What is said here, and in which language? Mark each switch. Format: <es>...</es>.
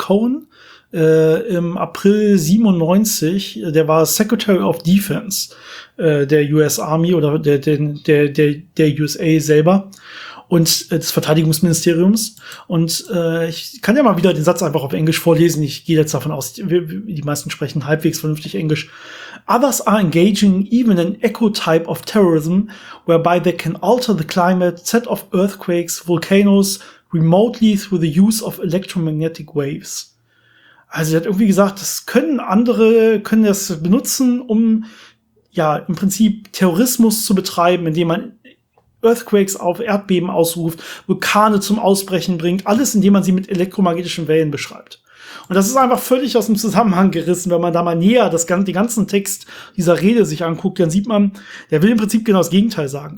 <de>Cohn im April 97, der war Secretary of Defense der US Army oder der USA selber und des Verteidigungsministeriums. Und ich kann ja mal wieder den Satz einfach auf Englisch vorlesen. Ich gehe jetzt davon aus, die meisten sprechen halbwegs vernünftig Englisch.</de> <en>Others are engaging even an echo type of terrorism, whereby they can alter the climate, set off earthquakes, volcanoes, remotely through the use of electromagnetic waves.</en> <de>Also er hat irgendwie gesagt, das können andere, können das benutzen, um ja im Prinzip Terrorismus zu betreiben, indem man Earthquakes auf Erdbeben ausruft, Vulkane zum Ausbrechen bringt, alles, indem man sie mit elektromagnetischen Wellen beschreibt. Und das ist einfach völlig aus dem Zusammenhang gerissen. Wenn man da mal näher das ganze, den ganzen Text dieser Rede sich anguckt, dann sieht man, der will im Prinzip genau das Gegenteil sagen.</de>